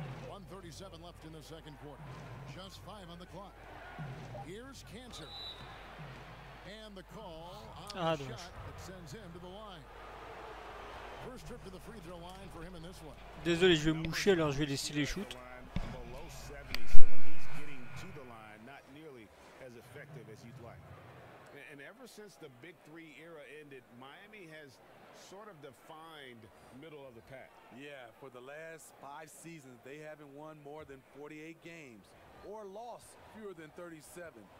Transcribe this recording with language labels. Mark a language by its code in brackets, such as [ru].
[en] .137 left in the second quarter. Just five on the clock. Here's Cantor. And the call on the shot that sends him to the line. First trip to the free throw line for him in this one. [fr] Désolé, je vais moucher, alors je vais laisser les shoots. [en] Below 70, so when he's getting to the line, not nearly as effective as you'd like. And ever since the Big Three era ended, Miami has sort of defined middle of the pack. Yeah, for the last five seasons, they haven't won more than 48 games or lost fewer than 37.